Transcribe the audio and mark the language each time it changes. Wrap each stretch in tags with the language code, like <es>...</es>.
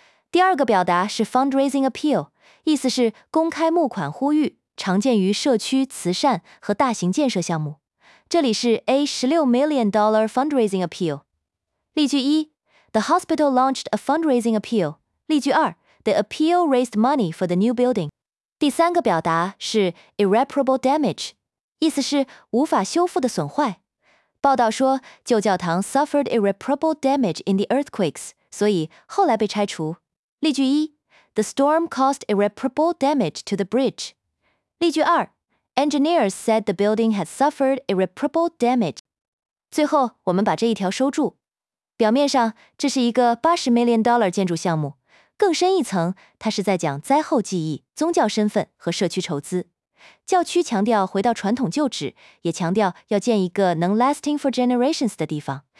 <zh>第二个表达是 fundraising appeal， 意思是公开募款呼吁，常见于社区慈善和大型建设项目。这里是 $16 million fundraising appeal。</zh> <en>例句一， The hospital launched a fundraising appeal。例句二， The appeal raised money for the new building。</en> <zh>第三个表达是 irreparable damage， 意思是无法修复的损坏。报道说旧教堂 suffered irreparable damage in the earthquakes，所以后来被拆除。</zh> <en>例句一， The storm caused irreparable damage to the bridge。例句二， Engineers said the building had suffered irreparable damage。</en> <zh>最后我们把这一条收住。表面上这是一个$80 million建筑项目，更深一层它是在讲灾后记忆、宗教身份和社区筹资。教区强调回到传统旧址，也强调要建一个能 lasting for generations 的地方。</zh>